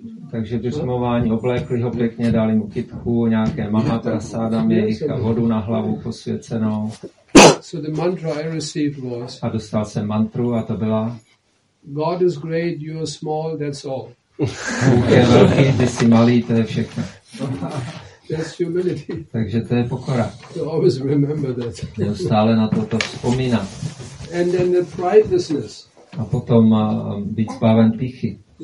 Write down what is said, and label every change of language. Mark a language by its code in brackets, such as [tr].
[cs] Takže vyšmování, oblékli ho pěkně, dali mu kytku, nějaké mahaprasáda, a vodu na hlavu posvěcenou. [en] So the mantra I received was, [cs] a dostal jsem mantru a to byla [en] God is great, you are small, that's all. [cs] Bůh je velký, ty jsi malý, to je všechno. [en] That's humility. [cs] Takže to je pokora. [en] To always remember that. [cs] Jo, stále na to to vzpomíná. [en] And then the pridelessness. [cs] A potom být zbaven pýchy.